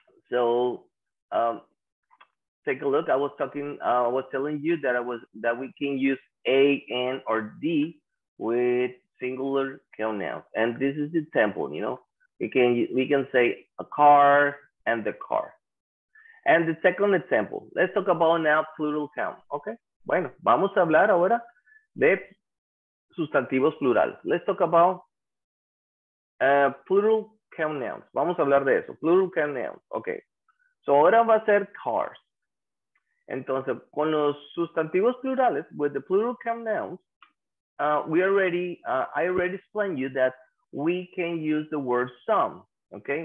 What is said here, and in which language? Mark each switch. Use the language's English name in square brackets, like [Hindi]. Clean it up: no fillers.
[English] So take a look. I was talking, I was telling you that that we can use A, N, or D with singular count nouns. And this is the temple, you know. We can say a car and the car. And the second example, let's talk about now plural count, okay? [Spanish] Bueno, vamos a hablar ahora de sustantivos plurales. [English] Let's talk about plural count nouns. [Spanish] Vamos a hablar de eso, [English] plural count nouns, okay. So [Spanish] ahora va a ser cars. Entonces, con los sustantivos plurales, [English] with the plural count nouns, I already explained you that we can use the word some, okay?